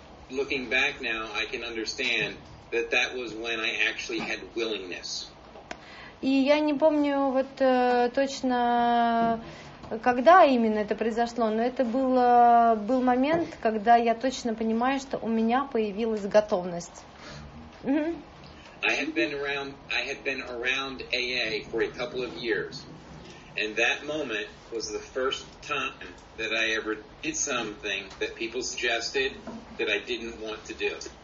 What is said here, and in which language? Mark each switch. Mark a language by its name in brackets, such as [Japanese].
[English] Looking back now, I can understand that that was when I actually had willingness. [Russian] И я не помню вот точно, когда именно это произошло, но это было, был момент, когда я точно понимаю, что у меня появилась готовность. [English] I had been around AA for a couple of years, and that moment was the first time that I ever did something that people suggested that I didn't want to do.